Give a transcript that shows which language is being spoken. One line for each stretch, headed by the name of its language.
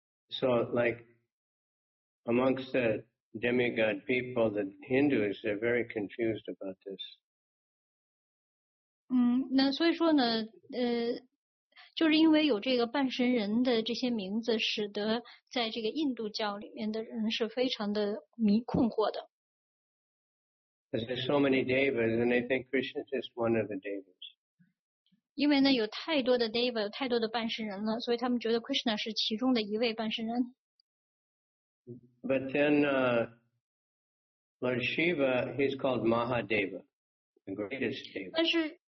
English: So like amongst the demigod people, the Hindus, they're very confused about this.
Chinese: 嗯，那所以说呢，就是因为有这个半神人的这些名字，使得在这个印度教里面的人是非常的困惑的。
English: Because there's so many devas, and they think Krishna is just one of the devas.
Chinese: 因为呢，有太多的 deva, 太多的半神人了，所以他们觉得 Krishna 是其中的一位半神人。
English: But then, Lord Shiva, he's called Mahadeva, the greatest deva.